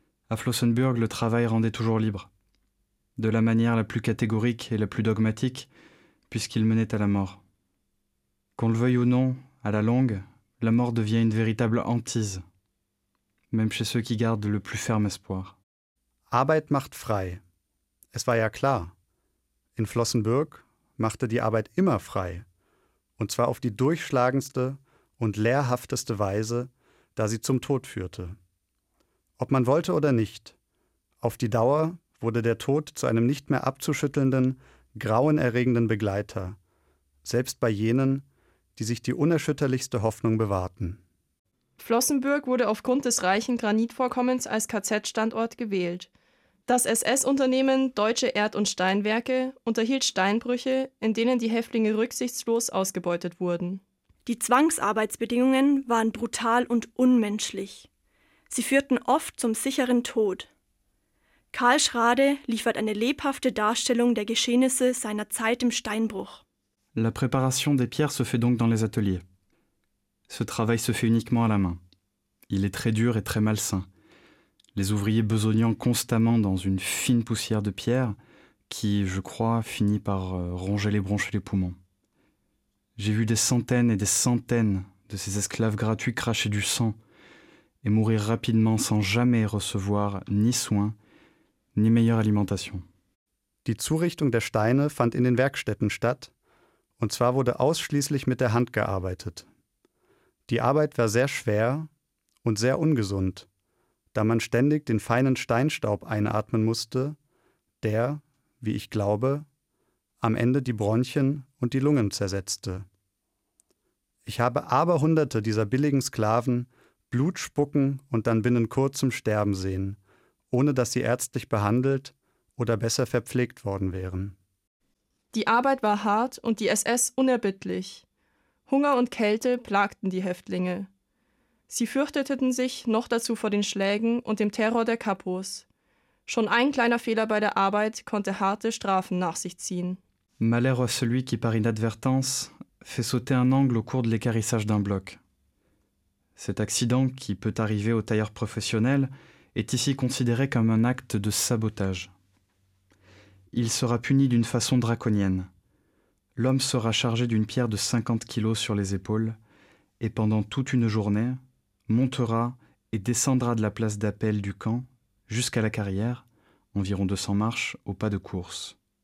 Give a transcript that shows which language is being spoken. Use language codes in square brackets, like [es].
[fr] À Flossenbürg, le travail rendait toujours libre. De la manière la plus catégorique et la plus dogmatique, puisqu'il menait à la mort. Qu'on le veuille ou non, à la longue, la mort devient une véritable hantise. Même chez ceux qui gardent le plus ferme espoir. [de] Arbeit macht frei. Es war ja klar. In Flossenbürg machte die Arbeit immer frei. Und zwar auf die durchschlagendste und lehrhafteste Weise, da sie zum Tod führte. Ob man wollte oder nicht, auf die Dauer wurde der Tod zu einem nicht mehr abzuschüttelnden, grauenerregenden Begleiter, selbst bei jenen, die sich die unerschütterlichste Hoffnung bewahrten. Flossenbürg wurde aufgrund des reichen Granitvorkommens als KZ-Standort gewählt. Das SS-Unternehmen Deutsche Erd- und Steinwerke unterhielt Steinbrüche, in denen die Häftlinge rücksichtslos ausgebeutet wurden. Die Zwangsarbeitsbedingungen waren brutal und unmenschlich. Sie führten oft zum sicheren Tod. Karl Schrade liefert eine lebhafte Darstellung der Geschehnisse seiner Zeit im Steinbruch. [fr] La préparation des pierres se fait donc dans les ateliers. Ce travail se fait uniquement à la main. Il est très dur et très malsain. Les ouvriers besognant constamment dans une fine poussière de pierre qui, je crois, finit par ronger les bronches et les poumons. J'ai vu des centaines et des centaines de ces esclaves gratuits cracher du sang et mourir rapidement sans jamais recevoir ni soins ni meilleure alimentation. [de] Die Zurichtung der Steine fand in den Werkstätten statt, und zwar wurde ausschließlich mit der Hand gearbeitet. Die Arbeit war sehr schwer und sehr ungesund, da man ständig den feinen Steinstaub einatmen musste, der, wie ich glaube, am Ende die Bronchien und die Lungen zersetzte. Ich habe Aberhunderte dieser billigen Sklaven Blut spucken und dann binnen kurzem sterben sehen, ohne dass sie ärztlich behandelt oder besser verpflegt worden wären. Die Arbeit war hart und die SS unerbittlich. Hunger und Kälte plagten die Häftlinge. Sie fürchteten sich noch dazu vor den Schlägen und dem Terror der Kapos. Schon ein kleiner Fehler bei der Arbeit konnte harte Strafen nach sich ziehen. [fr] Malheur à celui qui par inadvertance fait sauter un angle au cours de l'équarrissage d'un bloc. Cet accident qui peut arriver aux tailleurs professionnels est ici considéré comme un acte de sabotage. Il sera puni d'une façon draconienne. L'homme sera chargé d'une pierre de 50 kilos sur les épaules et pendant toute une journée montera et descendra de la place d'appel du camp jusqu'à la carrière, environ 200 marches au pas de course.